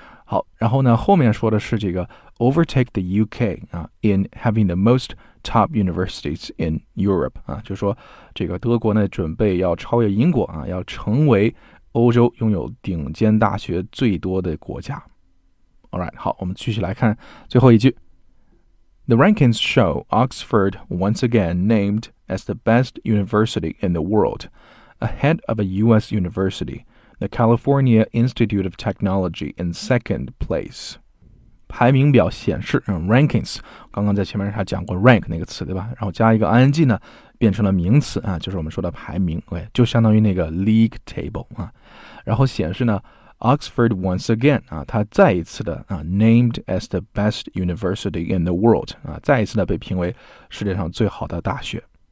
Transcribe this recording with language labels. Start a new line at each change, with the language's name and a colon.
Chinese: 好，然后呢，后面说的是这个
English: overtake the UK、in having the most top universities in Europe、
Chinese: 就说这个德国呢准备要超越英国、要成为欧洲拥有顶尖大学最多的国家。 Alright, 好，我们继续来看最后一句。
English: The rankings show Oxford once again named as the best university in the world, ahead of a U.S. university, the California Institute of Technology in second place.
Chinese: 排名表显示、rankings, 刚刚在前面还讲过 rank 那个词，对吧？然后加一个 ing 呢，变成了名词、就是我们说的排名、okay? 就相当于那个 league table、然后显示呢
English: Oxford once again,
Chinese: 它再一次的、
English: named as the best university in the world,、
Chinese: 再一次的被评为世界上最好的大学。